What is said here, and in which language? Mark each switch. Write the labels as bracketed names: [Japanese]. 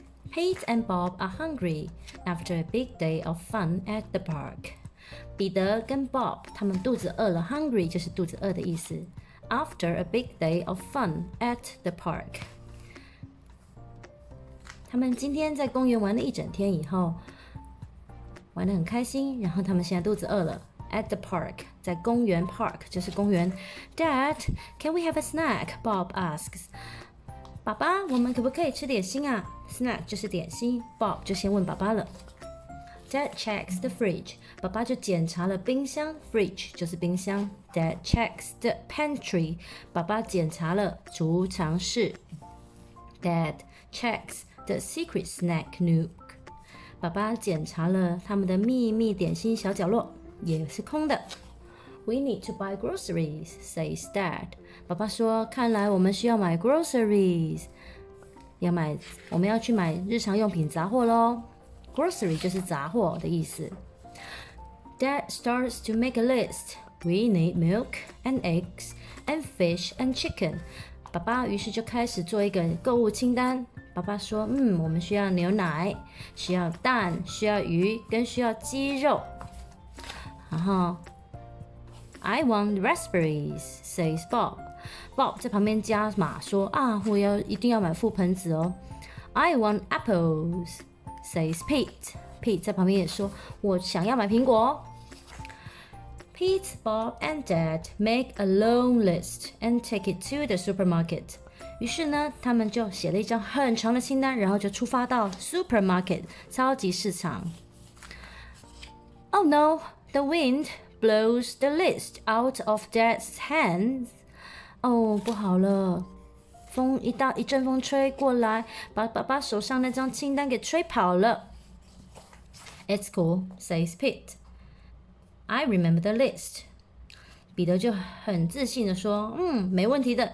[English] Pete and Bob are hungry after a big day of fun at the park. [Chinese] 彼得跟 Bob 他们肚子饿了 ,hungry 就是肚子饿的意思。 [English] After a big day of fun at the park. [Chinese] 他们今天在公园玩了一整天以后，玩得很开心，然后他们现在肚子饿了。 [English] At the park, [Chinese] 在公园 [English] park, [Chinese] 就是公园。 [English] Dad, can we have a snack? Bob asks. [Chinese] 爸爸，我们可不可以吃点心啊？ Snack 就是点心， Bob 就先问爸爸了。 [English] Dad checks the fridge. [Chinese] 爸爸就检查了冰箱， fridge 就是冰箱。 [English] Dad checks the pantry. [Chinese] 爸爸检查了储藏室。 [English] Dad checks the secret snack nook. [Chinese] 爸爸检查了他们的秘密点心小角落，也是空的。 [English] We need to buy groceries, says Dad. [Chinese] 爸爸说，看来我们需要买 groceries， 要买，我们要去买日常用品杂货咯。 [English] Grocery [Chinese] 就是杂货的意思。 [English] Dad starts to make a list. We need milk and eggs and fish and chicken. [Chinese] 爸爸于是就开始做一个购物清单。爸爸说，我们需要牛奶，需要蛋，需要鱼，跟需要鸡肉。 [English] 然后 I want raspberries, says Bob. [Chinese] Bob 在旁边加码说，我要一定要买覆盆子哦。 [English] I want apples, says Pete. [Chinese] Pete 在旁边也说，我想要买苹果。 [English] Pete, Bob and Dad make a long list and take it to the supermarket. [Chinese] 于是呢，他们就写了一张很长的清单，然后就出发到 supermarket 超级市场。 [English] Oh no, the wind blows the list out of Dad's hands. [Chinese] 哦，不好了，风一大一阵风吹过来，把爸爸手上那张清单给吹跑了。 [English] It's cool, says Pete. I remember the list. [Chinese] 彼得就很自信的说，没问题的。